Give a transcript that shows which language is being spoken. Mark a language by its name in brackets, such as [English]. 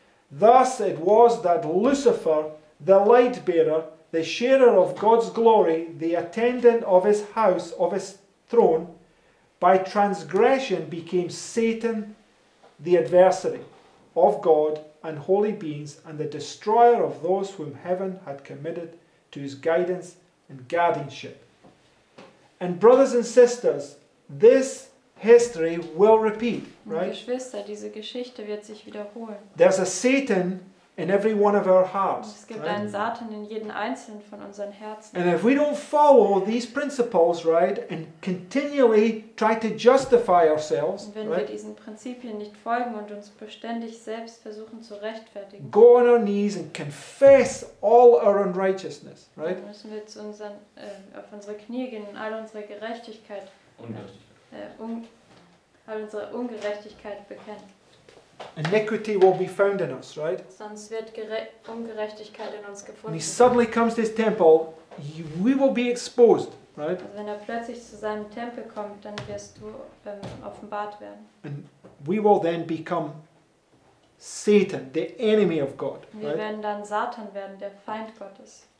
[English] Thus it was that Lucifer, the light bearer, the sharer of God's glory, the attendant of his house, of his throne, by transgression became Satan, the adversary of God and holy beings, and the destroyer of those whom heaven had committed to his guidance and guardianship. And brothers and sisters, this history will repeat, right? [German] Geschwister, diese Geschichte wird sich wiederholen. [English] There's a Satan in every one of our hearts. [German] Es gibt einen Satan in jeden einzelnen von unseren Herzen. [English] And if we don't follow these principles, right, and continually try to justify ourselves, [German] und wenn [English] right, [German] wir diesen Prinzipien nicht folgen und uns beständig selbst versuchen zu rechtfertigen, [English] go on our knees and confess all our unrighteousness, right? [German] Dann müssen wir zu unseren, auf unsere Knie gehen und all unsere Gerechtigkeit, all unsere Ungerechtigkeit bekennen. [English] Iniquity will be found in us, right? [German] Sonst wird Ungerechtigkeit in uns gefunden. [English] When he suddenly comes to his temple, we will be exposed, right? [German] Also wenn plötzlich zu seinem Tempel kommt, dann wirst du offenbart werden. [English] And we will then become Satan, the enemy of God, [German] wir [English] right? [German] Wir werden dann Satan werden, der Feind Gottes.